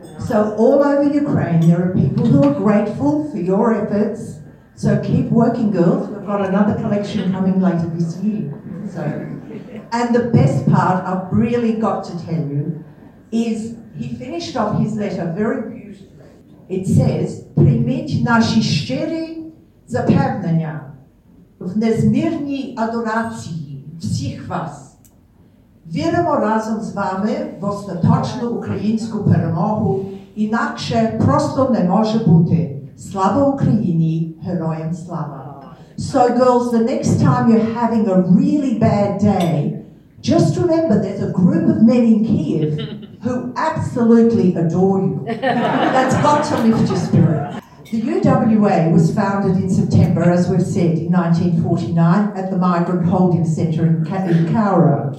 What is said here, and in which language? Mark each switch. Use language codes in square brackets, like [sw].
[en] So all over Ukraine, there are people who are grateful for your efforts. So keep working, girls. We've got another collection coming later this year. So, and the best part I've really got to tell you is he finished off his letter very beautifully. It says, [uk] "Прийміть наші щирі запевнення в незмірній адорації всіх вас. Віримо разом з вами в остаточну українську перемогу, інакше просто не може бути. Слава Україні, героям слава." [en] So girls, the next time you're having a really bad day, just remember there's a group of men in Kiev who absolutely adore you. That's got to lift your spirit. The UWA was founded in September, as we've said, in 1949 at the Migrant Holding Center in Cowra.